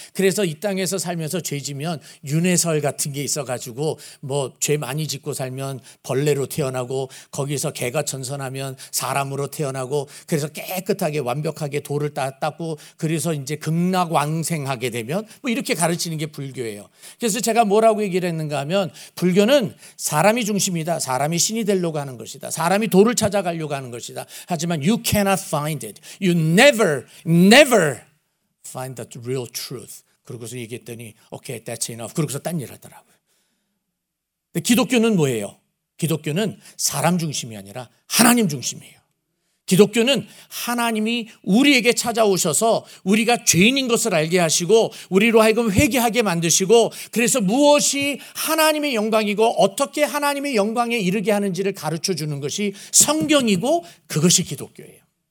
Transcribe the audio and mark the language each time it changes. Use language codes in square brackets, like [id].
[ko] 그래서 이 땅에서 살면서 죄 지면 윤회설 같은 게 있어가지고 뭐 죄 많이 짓고 살면 벌레로 태어나고 거기서 개가 천선하면 사람으로 태어나고 그래서 깨끗하게 완벽하게 도를 닦고 그래서 이제 극락왕생하게 되면 뭐 이렇게 가르치는 게 불교예요. 그래서 제가 뭐라고 얘기를 했는가 하면 불교는 사람이 중심이다. 사람이 신이 되려고 하는 것이다. 사람이 도를 찾아가려고 하는 것이다. 하지만 [en] you cannot find it. You never, never find the real truth. [ko] 그러고서 얘기했더니 [en] okay, that's enough. [ko] 그러고서 딴 일을 하더라고요. 근데 기독교는 뭐예요? 기독교는 사람 중심이 아니라 하나님 중심이에요. 기독교는 하나님이 우리에게 찾아오셔서 우리가 죄인인 것을 알게 하시고 우리로 하여금 회개하게 만드시고 그래서 무엇이 하나님의 영광이고 어떻게 하나님의 영광에 이르게 하는지를 가르쳐주는 것이 성경이고 그것이 기독교예요.